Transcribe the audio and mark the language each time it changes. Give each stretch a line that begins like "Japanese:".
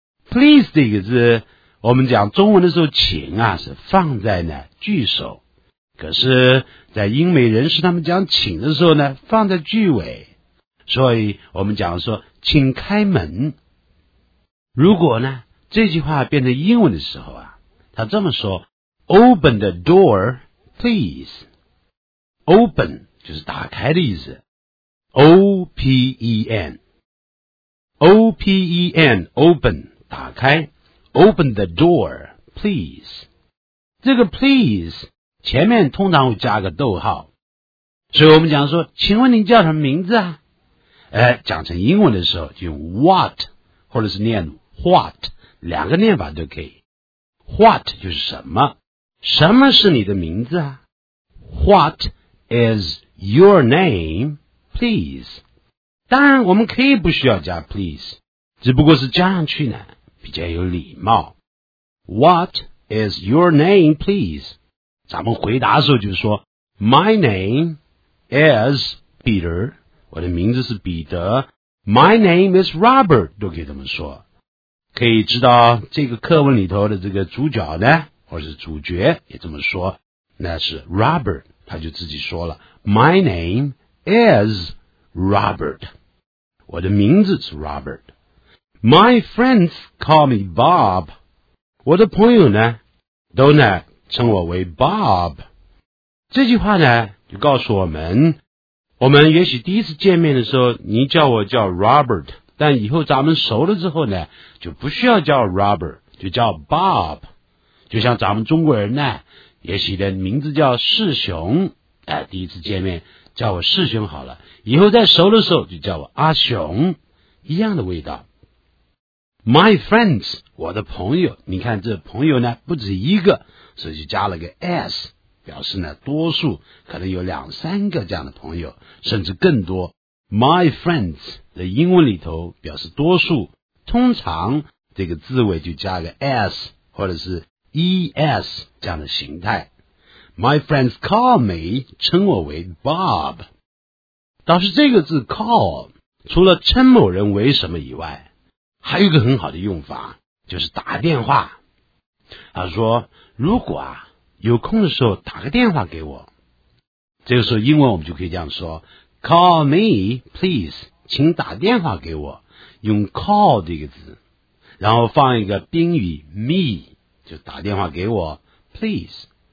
Chinese: Please 这个字我们讲中文的时候请啊是放在呢句首，可是在英美人士他们讲请的时候呢放在句尾，所以我们讲说请开门。如果呢这句话变成英文的时候啊，他这么说，
English: Open the door, please.
Chinese: Open 就是打开的意思。O-P-E-N.
English: O-P-E-N, open, 打开。 Open the door, please.
Chinese: 这个 please 前面通常会加个逗号。所以我们讲说请问您叫什么名字啊，讲成英文的时候就用 what, 或者是念 what, 两个念法都可以。 What 就是什么，什么是你的名字啊。
English: What is your name, please?
Chinese: 当然我们可以不需要加 please, 只不过是加上去呢比较有礼貌。
English: What is your name, please?
Chinese: 咱们回答的时候就说
English: My name is Peter,
Chinese: 我的名字是彼得。
English: My name is Robert,
Chinese: 都可以这么说。可以知道这个课文里头的这个主角呢，或者是主角也这么说，那是 Robert, 他就自己说了
English: My name is Robert,
Chinese: 我的名字是 Robert。
English: My friends call me Bob,
Chinese: 我的朋友呢都呢称我为 Bob。这句话呢就告诉我们也许第一次见面的时候你叫我叫 Robert,但以后咱们熟了之后呢就不需要叫 Robert, 就叫 Bob, 就像咱们中国人呢也许的名字叫世雄，第一次见面叫我世雄好了，以后再熟的时候就叫我阿雄，一样的味道。
English: My friends,
Chinese: 我的朋友，你看这朋友呢不止一个，所以就加了个 S, 表示呢多数可能有两三个这样的朋友甚至更多。
English: My friends
Chinese: 的英文里头表示多数，通常这个字尾就加个 s 或者是 es 这样的形态。
English: My friends call me
Chinese: 称我为 Bob。倒是这个字 call 除了称某人为什么以外，还有一个很好的用法，就是打电话。他说如果啊有空的时候打个电话给我，这个时候英文我们就可以这样说，
English: Call me, please,
Chinese: 请打电话给我，用 call 这个字，然后放一个宾语 me, 就打电话给我 please。